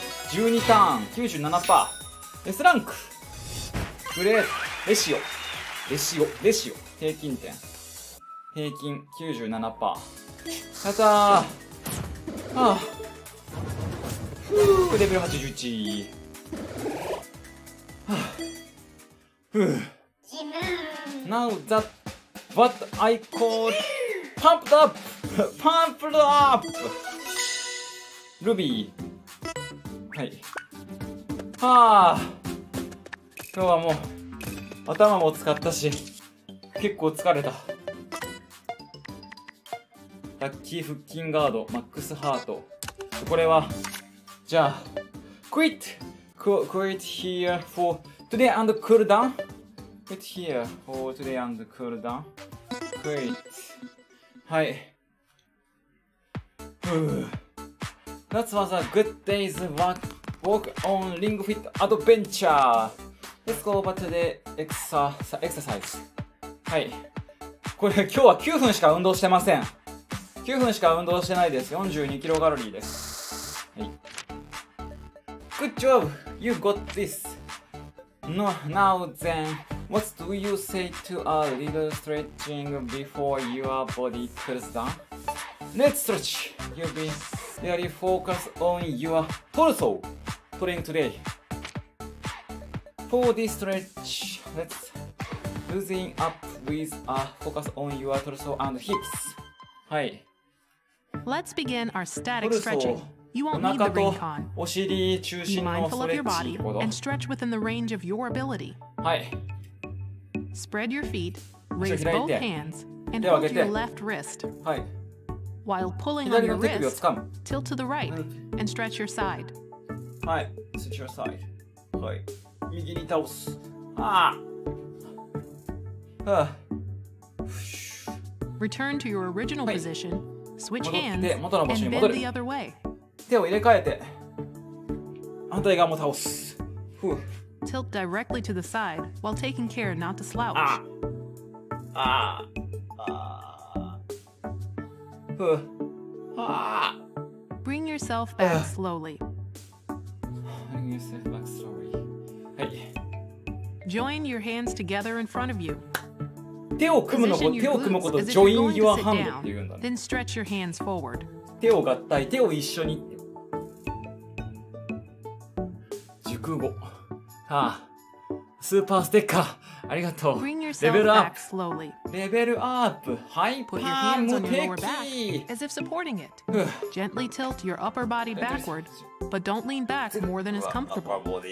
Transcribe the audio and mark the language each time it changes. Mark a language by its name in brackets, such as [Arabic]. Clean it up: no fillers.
[Japanese] 12ターン 97% S ランク、グレーレシオレシオレシオ、平均点平均 97%。やったー、はあ、ふう、レベル81、はあ、ふう。 [English] Now that what I call pumped up, pumped up. [Japanese] Ruby. はい。はあ。今日はもう頭も使ったし、結構疲れた。ラッキー腹筋ガード、マックスハート。これはじゃあ、 [English] quit, quit here for today and cool down. Quit here for today and cool down. Quit. はい。 That was a good day's walk on Ring Fit Adventure. Let's go over today exercise. はい。 [Japanese] これ今日は9分しか運動してません。9分しか運動してないです。 42キロカロリーです。はい。 [English] Good job. You got this. No, now then. What do you say to a little stretching before your body cools down? Let's stretch! You'll be really focused on your torso training today. For this stretch, let's loosen up with a focus on your torso and hips. [Japanese] はい。 [English] Let's begin our static stretching. [Japanese] お腹とお尻中心のストレッチ。 [English] Mindful of your body and stretch within the range of your ability. [Japanese] はい。 [English] Spread your feet, raise both hands, and hold your left wrist. [Japanese] はい。 [English] While pulling on your wrist, tilt to the right and stretch your side. [Japanese] はい。 [English] Stretch your side. [Japanese] はい。右に倒す。はあ。はあ。 [English] Return to your original position, switch hands, and bend the other way. [Japanese] 手を入れ替えて反対側も倒す。ふう。 [English] Tilt directly to the side while taking care not to slouch. ああ。ああ。ふう。ああ。 Bring yourself back slowly. Bring yourself back slowly. はい。 Join your hands together in front of you. [Japanese] 手を組むのこと、手を組むこと、 [English] Join your hand [Japanese] って言うんだね。 [English] Then stretch your hands forward. [Japanese] 手を合体、手を一緒に。空母、はあ、スーパーステッカーありがとう。レベルアップ、 [English] slowly. [Japanese] レベルアップ、ハイパー無敵。 [English] Put your hands on your lower back as if supporting it. Gently tilt your upper body backward, but don't lean back more than is comfortable.